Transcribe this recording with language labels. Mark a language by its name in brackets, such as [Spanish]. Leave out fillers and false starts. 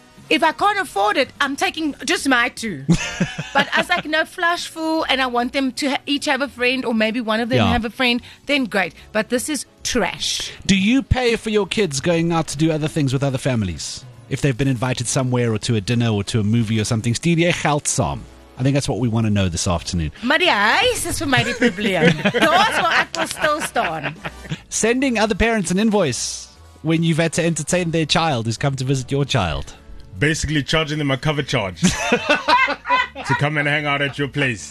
[English] If I can't afford it, I'm taking just my two. But as like no flush fool and I want them to each have a friend or maybe one of them have a friend, then great. But this is trash. Do you pay for your kids going out to do other things with other families? If they've been invited somewhere or to a dinner or to a movie or something. [Afrikaans] Stuur jy geld saam? [English] I think that's what we want to know this afternoon. [Afrikaans] Maar die huis is vir my die probleem. Daar's waar ek wil stil staan. [English] Sending other parents an invoice when you've had to entertain their child who's come to visit your child. Basically charging them a cover charge to come and hang out at your place.